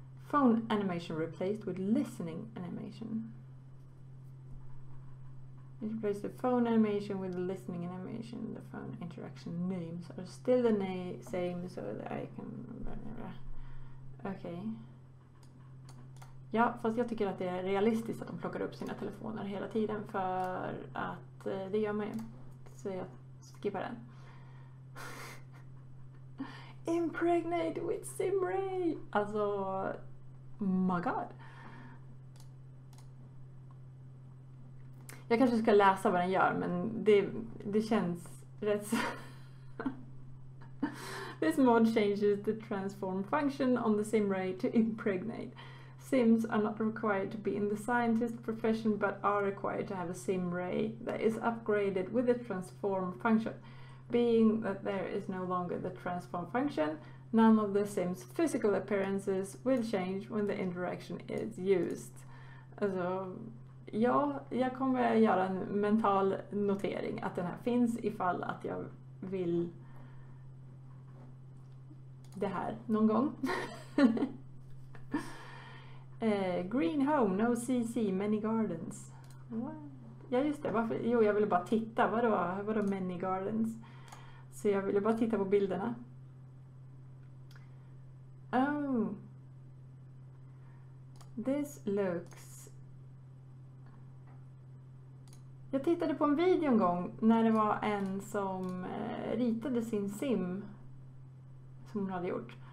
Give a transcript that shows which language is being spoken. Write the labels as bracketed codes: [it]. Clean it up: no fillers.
[en] Phone animation replaced with listening animation. It replaced the phone animation with the listening animation. The phone interaction names are still the same, so that I can remember. Okay. [sv] Ja, fast jag tycker att det är realistiskt att de plockar upp sina telefoner hela tiden för att det gör man ju. Så jag skippar den. [en] Impregnate with Simray! Alltså, my god. [sv] Jag kanske ska läsa vad den gör, men det känns rätt så... [en] This mod changes the transform function on the Simray to impregnate. Sims are not required to be in the scientist profession, but are required to have a sim ray that is upgraded with the transform function. Being that there is no longer the transform function, none of the sims' physical appearances will change when the interaction is used. [sv] Alltså, ja, jag kommer göra en mental notering att den här finns ifall att jag vill det här någon gång. [en] green home, no CC, many gardens. What? [sv] Ja just det, varför? Jo jag ville bara titta, vadå [en] many gardens? [sv] Så jag ville bara titta på bilderna. [en] Oh. This looks... [sv] Jag tittade på en video en gång när det var en som ritade sin sim som hon hade gjort.